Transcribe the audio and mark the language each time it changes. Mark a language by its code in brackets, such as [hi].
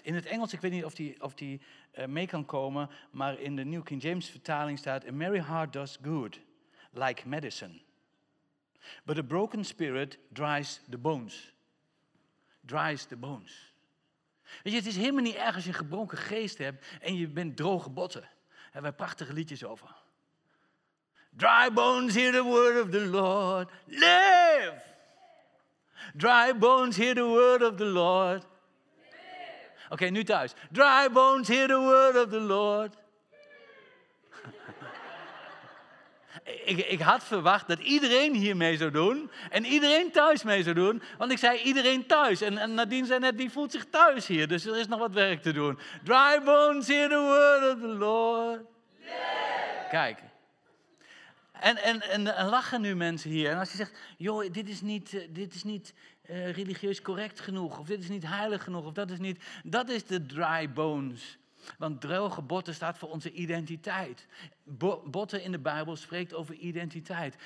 [nl] In het Engels, ik weet niet of die mee kan komen, maar in de New King James vertaling staat, [en] a merry heart does good, like medicine. But a broken spirit dries the bones. Dries the bones. [nl] Weet je, het is helemaal niet erg als je een gebroken geest hebt en je bent droge botten. Daar hebben wij prachtige liedjes over. [en] Dry bones, hear the word of the Lord. Live! Dry bones, hear the word of the Lord. Oké, okay, [nl] nu thuis. [en] Dry bones, hear the word of the Lord. [nl] Ik had verwacht dat iedereen hier mee zou doen. En iedereen thuis mee zou doen. Want ik zei iedereen thuis. En Nadine zei net, die voelt zich thuis hier. Dus er is nog wat werk te doen. [en] Dry bones, hear the word of the Lord. [nl] Yeah. Kijk. En lachen nu mensen hier. En als je zegt, joh, dit is niet religieus correct genoeg. Of dit is niet heilig genoeg. Of dat is niet, dat is de dry bones. Want droge botten staat voor onze identiteit. Botten in de Bijbel spreekt over identiteit.